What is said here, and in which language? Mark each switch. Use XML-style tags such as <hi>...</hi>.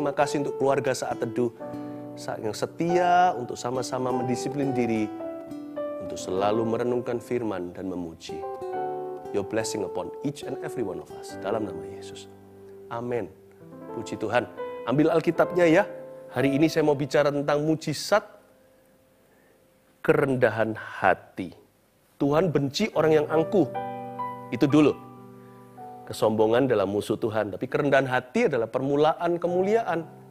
<id>Makasih untuk keluarga saat teduh yang setia untuk sama-sama mendisiplin diri, untuk selalu merenungkan firman dan memuji.</id> <en>Your blessing upon each and every one of us.</en> <id>Dalam nama Yesus. Amen. Puji Tuhan. Ambil Alkitabnya ya. Hari ini saya mau bicara tentang mujizat kerendahan hati. Tuhan benci orang yang angkuh. Itu dulu. Kesombongan adalah musuh Tuhan, tapi kerendahan hati adalah permulaan kemuliaan.</id>